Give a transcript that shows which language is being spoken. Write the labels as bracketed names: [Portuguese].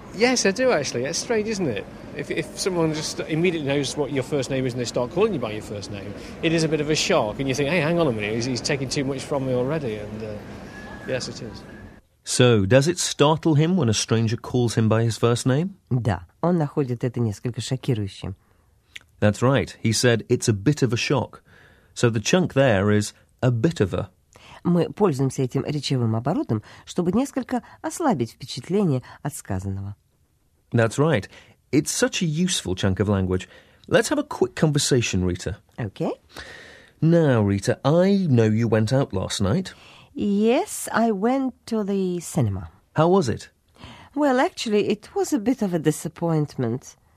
[English] Yes, I do, actually. It's strange, isn't it? If someone just immediately knows what your first name is and they start calling you by your first name, it is a bit of a shock, and you think, hey, hang on a minute, he's taking too much from me already, and yes, it is. So, does it startle him when a stranger calls him by his first name? [Russian] Да, он находит это несколько шокирующим. [English] That's right. He said it's a bit of a shock. So the chunk there is a bit of a. [Russian] Мы пользуемся этим речевым оборотом, чтобы несколько ослабить впечатление от сказанного. [English] That's right. It's such a useful chunk of language. Let's have a quick conversation, Rita. Okay. Now, Rita, I know you went out last night. Yes, I went to the cinema. How was it? Well, actually, it was a bit of a disappointment.